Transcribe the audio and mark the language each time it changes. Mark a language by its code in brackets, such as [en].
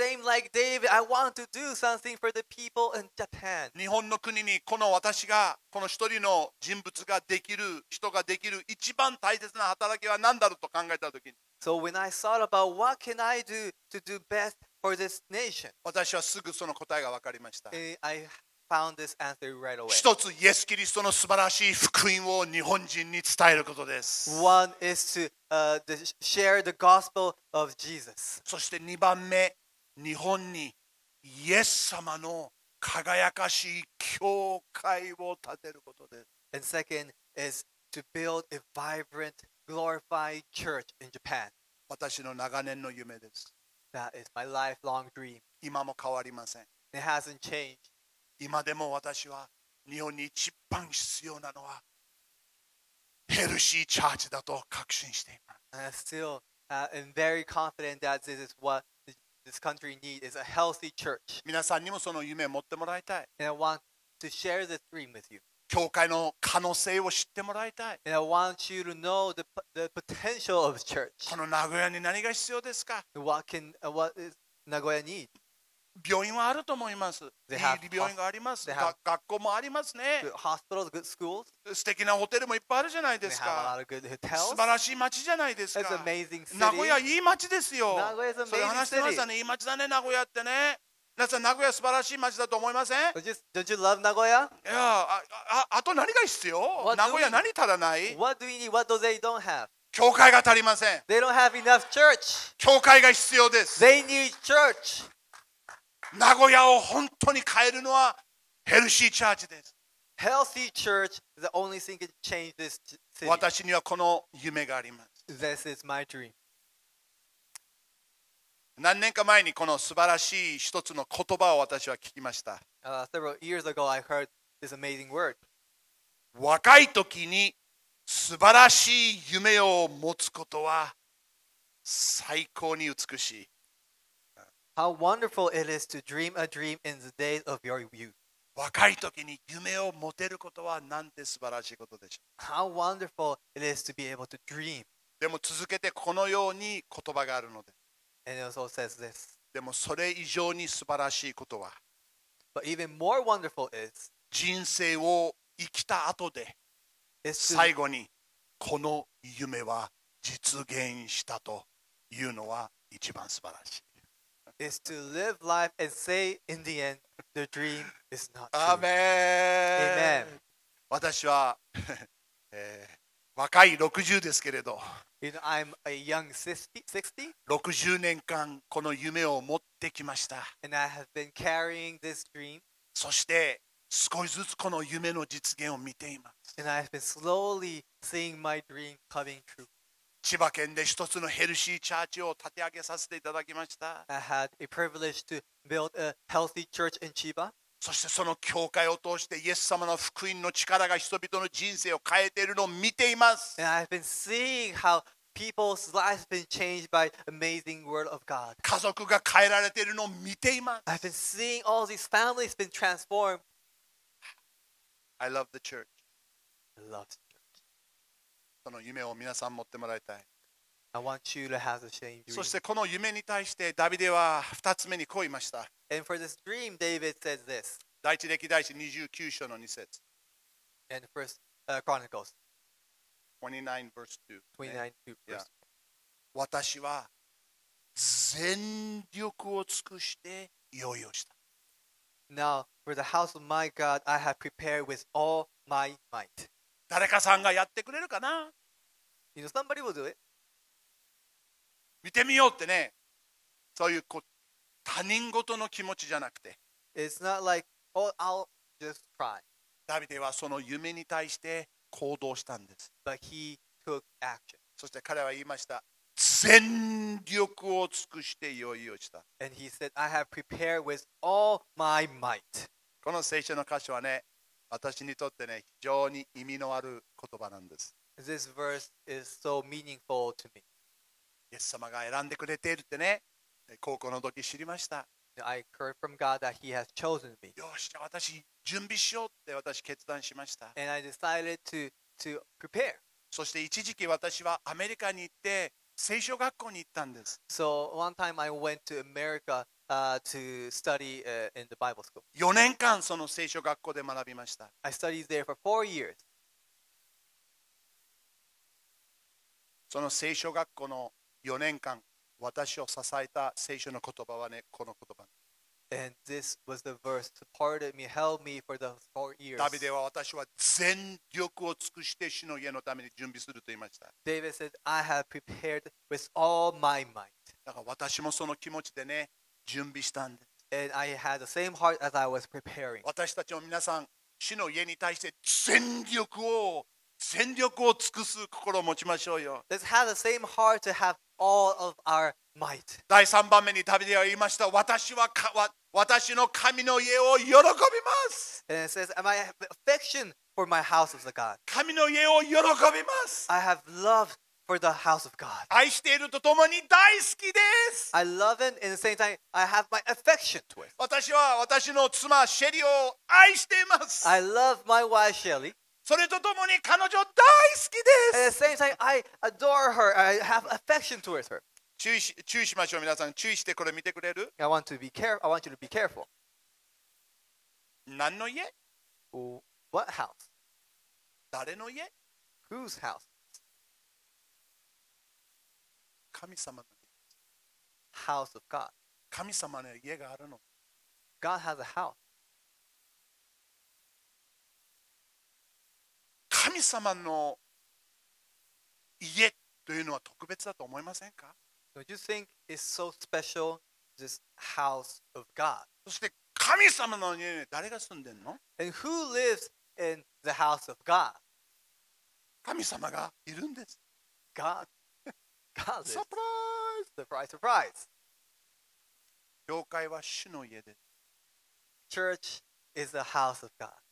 [en] Same like David, I want to do something for the people in Japan. [ja] 日本の国にこの私が、この一人の人物ができる、人ができる一番大切な働きは何だろうと考えたときに。 [en] So when I thought about what can I do to do best for this nation. [ja] 私はすぐその答えが分かりました。 [en] Found this answer right away. [ja] 一つイエス・キリストの素晴らしい福音を日本人に伝えることです。 [en] One is to share the gospel of Jesus. [ja] そして二番目、日本にイエス様の輝かしい教会を建てることです。 [en] And second is to build a vibrant, glorified church in Japan. [ja] 私の長年の夢です。 [en] That is my lifelong dream. [ja] 今も変わりません。 [en] It hasn't changed. [ja] 今でも私は日本に一番必要なのはヘルシーチャーチだと確信しています。 [en] I'm still very confident that this is what this country needs is a healthy church. [ja] 皆さんにもその夢を持ってもらいたい。 [en] And I want to share this dream with you. [ja] 教会の可能性を知ってもらいたい。 [en] And I want you to know the potential of church. [ja] この名古屋に何が必要ですか? [en] What can, what is 名古屋 need? [ja] 病院はあると思います。いい病院があります。学校もありますね。 [en] Good hospitals, good schools. [ja] 素敵なホテルもいっぱいあるじゃないですか。 [en] They have a lot of good hotels. [ja] 素晴らしい町じゃないですか。 [en] It's an amazing city. [ja] 名古屋いい町ですよ。それ話してましたね。いい町だね、名古屋ってね。皆さん、名古屋素晴らしい町だと思いません？ [en] Don't you love 名古屋？ [ja] いや、あと何が必要？名古屋何足らない？ [en] What do we need? What do they don't have? [ja] 教会が足りません。 [en] They don't have enough church. [ja] 教会が必要です。 [en] They need church. [ja] 名古屋を本当に変えるのはヘルシーチャーチです。 [en] Healthy church is the only thing that can change this city. [ja] 私にはこの夢があります。 [en] This is my dream. [ja] 何年か前にこの素晴らしい一つの言葉を私は聞きました。 [en] Several years ago, I heard this amazing word. [ja] 若い時に素晴らしい夢を持つことは最高に美しい。 [en] How wonderful it is to dream a dream in the days of your youth. [ja] 若い時に夢を持てることはなんて素晴らしいことでしょう。 [en] How wonderful it is to be able to dream. [ja] でも続けてこのように言葉があるので。 [en] And it also says this. [ja] でもそれ以上に素晴らしいことは、 [en] But even more wonderful is, [ja] 人生を生きた後で最後にこの夢は実現したというのは一番素晴らしい。 [en] is to live life and say in the end, the dream is not true. Amen. Amen. [ja] 私は若い60ですけれど、 [en] You know, I'm a young 60. [ja] 60年間この夢を持ってきました。 [en] And I have been carrying this dream. [ja] そして少しずつこの夢の実現を見ています。 [en] And I have been slowly seeing my dream coming true. [ja] 千葉県で一つのヘルシーチャーチを立て上げさせていただきました。 [en] I had a privilege to build a healthy church in Chiba. [ja] そしてその教会を通してイエス様の福音の力が人々の人生を変えているのを見ています。 [en] And I've been seeing how people's lives have been changed by amazing word of God. [ja] 家族が変えられているのを見ています。 [en] I've been seeing all these families been transformed. I love the church. I love the church. [ja] その夢を皆さん持ってもらいたい。 [en] I want you to have the same dream. [ja] そしてこの夢に対してダビデは二つ目にこう言いました。 [en] And for this dream, David says this. [ja] 第一歴代史29章の2節。 [en] And first, Chronicles. 29 verse 2. 29 verse 2. [ja] 私は全力を尽くして用意をした。 [en] Now, for the house of my God, I have prepared with all my might. [ja] 誰かさんがやってくれるかな? [en] You know, somebody will do it. [ja] 見てみようってね、そういう、こう他人事の気持ちじゃなくて、 [en] It's not like, oh, I'll just try. [ja] ダビデはその夢に対して行動したんです。 [en] But he took action. [ja] そして彼は言いました、全力を尽くして用意をした。 [en] And he said, I have prepared with all my might. [ja] この聖書の箇所はね、私にとってね、非常に意味のある言葉なんです。 [en] This verse is so meaningful to me. [ja] イエス様が選んでくれているってね、高校の時知りました。 [en] I heard from God that He has chosen me. [ja] よし、じゃあ私、準備しようって私、決断しました。 [en] And I decided to prepare. [ja] そして一時期私はアメリカに行って、聖書学校に行ったんです。 [en] So one time I went to America, to study, in the Bible school. [ja] 4年間その聖書学校で学びました。 [en] I studied there for 4 years. [ja] その聖書学校の4年間私を支えた聖書の言葉はね、この言葉。 [en] And this was the verse that supported me, helped me for the 4 years. [ja] ダビデは私は全力を尽くして主の家のために準備すると言いました。 [en] David said, I have prepared with all my might. [ja] だから私もその気持ちでね、準備したんです。 [en] And I had the same heart as I was preparing. [ja] 私たちも皆さん、主の家に対して全力を尽くす心を持ちましょうよ。 [en] Let's have the same heart to have all of our might. [ja] 第3番目にダビデは言いました。私の神の家を喜びます。 [en] And it says, I have affection for my house of the God. [ja] 神の家を喜びます。 [en] I have love for the house of God. [ja] 愛しているとともに大好きです。 [en] I love it, and at the same time, I have my affection to it. [ja] 私は私の妻シェリーを愛しています。 [en] I love my wife Shelly. [ja] それとともに彼女大好きです。 [en] At the same time, I adore her. I have affection towards her. [ja] 注意しましょう皆さん注意してこれ見てくれる [en] I want, to be care- I want you to be careful [ja] 何の家 [en] What house [ja] 誰の家 [en] Whose house [ja] 神様の家 [en] House of God [ja] 神様の家があるの [en] God has a house [ja] 神様の家というのは特別だと思いませんか [en] Don't you think it's so special, this house of God? [ja] そして神様の家に誰が住んでんの [en] And who lives in the house of God? [ja] 神様がいるんです。 [en] God. God lives. Surprise! Surprise, surprise. [ja] 教会は主の家です。 [en] Church is the house of God.